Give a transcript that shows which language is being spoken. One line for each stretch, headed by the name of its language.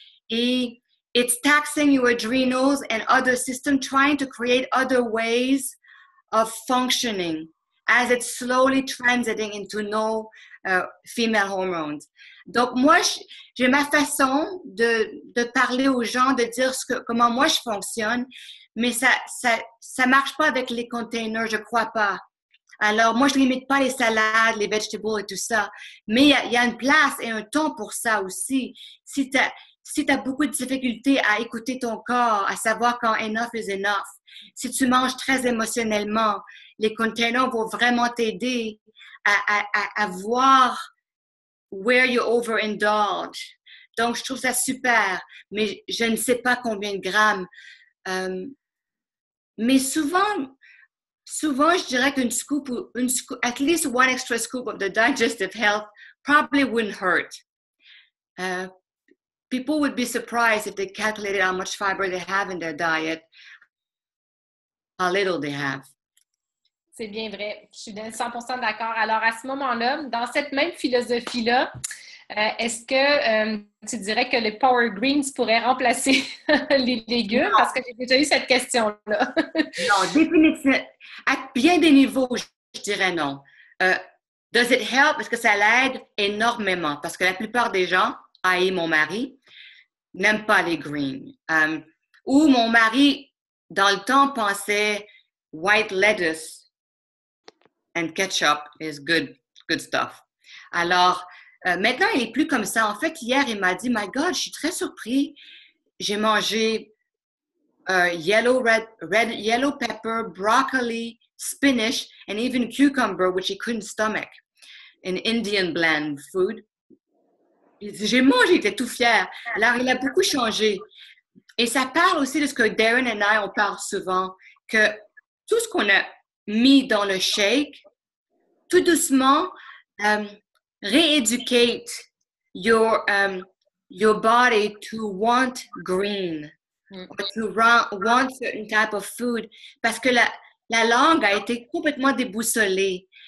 English: Et it's taxing your adrenals and other systems trying to create other ways of functioning as it's slowly transiting into no female hormones.
French: Donc, moi, j'ai ma façon de parler aux gens, de dire comment moi je fonctionne, mais ça marche pas avec les containers, je crois pas. Alors, moi, je limite pas les salades, les vegetables et tout ça. Mais il y a une place et un temps pour ça aussi. Si t'as beaucoup de difficultés à écouter ton corps, à savoir quand
English: enough is enough,
French: si tu manges très émotionnellement, les containers vont vraiment t'aider à voir
English: where you overindulge.
French: Donc, je trouve ça super. Mais je ne sais pas combien de grammes. Mais souvent, je dirais qu'une scoop ou une scoop,
English: at least one extra scoop of the digestive health probably wouldn't hurt. People would be surprised if they calculated how much fiber they have in their diet, how little they have.
French: C'est bien vrai. Je suis 100% d'accord. Alors, à ce moment-là, dans cette même philosophie-là, est-ce que tu dirais que les power greens pourraient remplacer les légumes? Non. Parce que j'ai déjà eu cette question-là. Non, définitivement. À bien des niveaux, je dirais non.
English: Does it help?
French: Est-ce que ça l'aide énormément? Parce que la plupart des gens, i.e. mon mari, n'aiment pas les greens. Ou mon mari, dans le temps, pensait
English: white lettuce and ketchup is good stuff.
French: Alors, maintenant, il est plus comme ça. En fait, hier, il m'a dit,
English: my God,
French: je suis très surpris. J'ai mangé
English: yellow pepper, broccoli, spinach, and even cucumber, which he couldn't stomach, an Indian blend food.
French: J'ai mangé, il était tout fier. Alors, il a beaucoup changé. Et ça parle aussi de ce que Darren et I, on parle souvent, que tout ce qu'on a mis dans le shake, tout doucement,
English: re-educate your body to want green, or to want certain type of food,
French: parce que la langue a été complètement déboussolée.